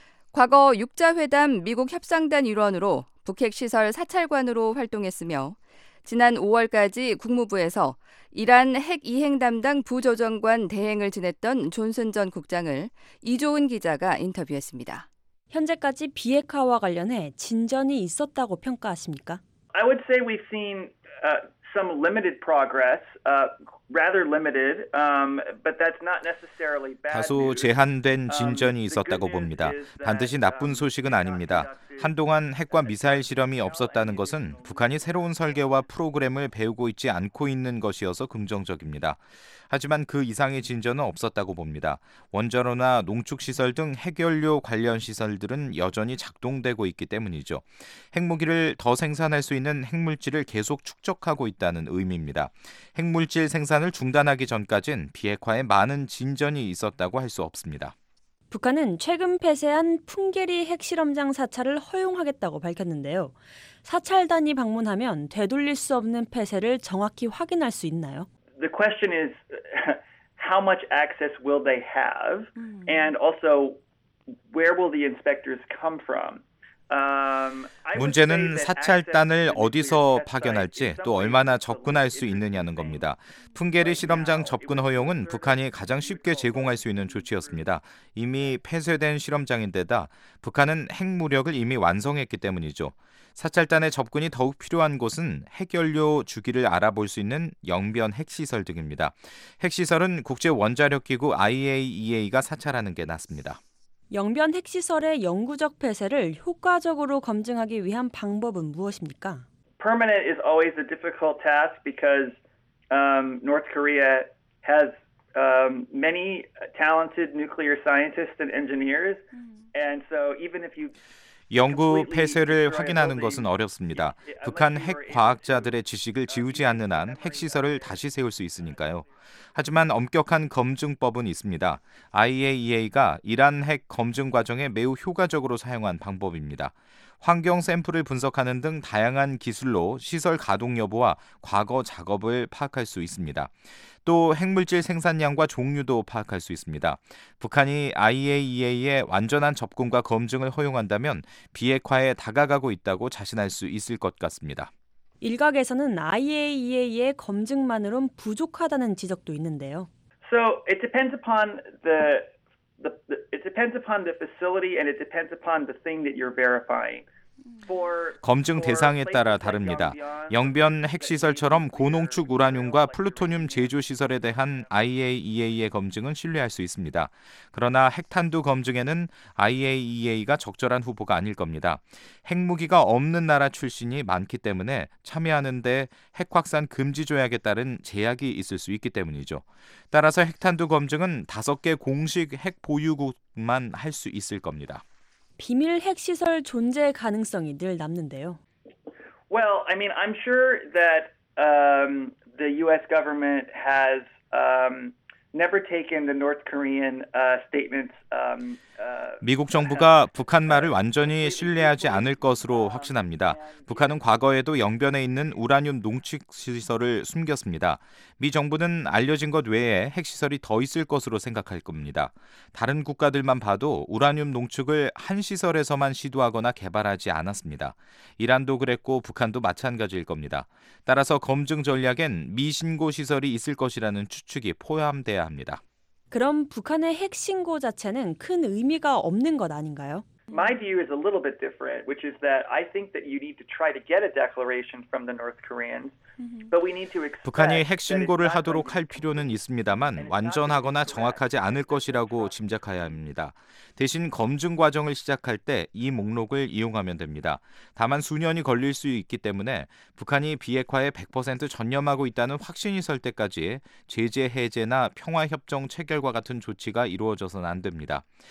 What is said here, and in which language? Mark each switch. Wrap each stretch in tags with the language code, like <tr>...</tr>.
<ko>과거 6자회담 미국 협상단 일원으로 북핵시설 사찰관으로 활동했으며 지난 5월까지 국무부에서 이란 핵이행 담당 부조정관 대행을 지냈던 존슨 전 국장을 이조은 기자가 인터뷰했습니다. 현재까지 비핵화와 관련해 진전이 있었다고 평가하십니까?</ko> <en>I would say we've seen some limited progress, rather limited, but that's not necessarily bad.</en> <ko>다소 제한된 진전이 있었다고 봅니다. 반드시 나쁜 소식은 아닙니다. 한동안 핵과 미사일 실험이 없었다는 것은 북한이 새로운 설계와 프로그램을 배우고 있지 않고 있는 것이어서 긍정적입니다. 하지만 그 이상의 진전은 없었다고 봅니다. 원자로나 농축시설 등 핵연료 관련 시설들은 여전히 작동되고 있기 때문이죠. 핵무기를 더 생산할 수 있는 핵물질을 계속 축적하고 있다는 의미입니다. 핵물질 생산을 중단하기 전까지는 비핵화에 많은 진전이 있었다고 할 수 없습니다. 북한은 최근 폐쇄한 풍계리 핵실험장 사찰을 허용하겠다고 밝혔는데요. 사찰단이 방문하면 되돌릴 수 없는 폐쇄를 정확히 확인할 수 있나요?</ko> <en>The question is how much access will they have and also where will the inspectors come from?</en> <ko>문제는 사찰단을 어디서 파견할지 또 얼마나 접근할 수 있느냐는 겁니다. 풍계리 실험장 접근 허용은 북한이 가장 쉽게 제공할 수 있는 조치였습니다. 이미 폐쇄된 실험장인데다 북한은 핵무력을 이미 완성했기 때문이죠. 사찰단의 접근이 더욱 필요한 곳은 핵연료 주기를 알아볼 수 있는 영변 핵시설 등입니다. 핵시설은 국제원자력기구 IAEA가 사찰하는 게 낫습니다. 영변 핵시설의 영구적 폐쇄를 효과적으로 검증하기 위한 방법은 무엇입니까?</ko> <en>Permanent is always a difficult task because North Korea has many talented nuclear scientists and engineers. And so even if you</en> <ko>영구 폐쇄를 확인하는 것은 어렵습니다. 북한 핵과학자들의 지식을 지우지 않는 한 핵시설을 다시 세울 수 있으니까요. 하지만 엄격한 검증법은 있습니다. IAEA가 이란 핵 검증 과정에 매우 효과적으로 사용한 방법입니다. 환경 샘플을 분석하는 등 다양한 기술로 시설 가동 여부와 과거 작업을 파악할 수 있습니다. 또 핵물질 생산량과 종류도 파악할 수 있습니다. 북한이 IAEA의 완전한 접근과 검증을 허용한다면 비핵화에 다가가고 있다고 자신할 수 있을 것 같습니다. 일각에서는 IAEA의 검증만으론 부족하다는 지적도 있는데요.</ko> <en>So it depends upon it depends upon the facility and it depends upon the thing that you're verifying.</en> <ko>검증 대상에 따라 다릅니다. 영변 핵시설처럼 고농축 우라늄과 플루토늄 제조시설에 대한 IAEA의 검증은 신뢰할 수 있습니다. 그러나 핵탄두 검증에는 IAEA가 적절한 후보가 아닐 겁니다. 핵무기가 없는 나라 출신이 많기 때문에 참여하는 데 핵확산 금지 조약에 따른 제약이 있을 수 있기 때문이죠. 따라서 핵탄두 검증은 5개 공식 핵 보유국만 할 수 있을 겁니다. 비밀 핵시설 존재 가능성이 늘 남는데요.</ko> <en>Well, I mean, I'm sure that the U.S. government has never taken the North Korean statements.</en> <ko>미국 정부가 북한 말을 완전히 신뢰하지 않을 것으로 확신합니다. 북한은 과거에도 영변에 있는 우라늄 농축 시설을 숨겼습니다. 미 정부는 알려진 것 외에 핵시설이 더 있을 것으로 생각할 겁니다. 다른 국가들만 봐도 우라늄 농축을 한 시설에서만 시도하거나 개발하지 않았습니다. 이란도 그랬고 북한도 마찬가지일 겁니다. 따라서 검증 전략엔 미신고 시설이 있을 것이라는 추측이 포함돼야 합니다. 그럼 북한의 핵 신고 자체는 큰 의미가 없는 것 아닌가요?</ko> <en>My view is a little bit different, which is that I think that you need to try to get a declaration from the North Koreans.</en> <ko>북한이 핵 신고를 하도록 할 필요는 있습니다만 완전하거나 정확하지 않을 것이라고 짐작해야 합니다. 대신 검증 과정을 시작할 때 이 목록을 이용하면 됩니다. 다만 수년이 걸릴 수 있기 때문에 북한이 비핵화에 100% 전념하고 있다는 확신이 설 때까지 제재 해제나 평화협정 체결과 같은 조치가 이루어져서는 안 됩니다.</ko>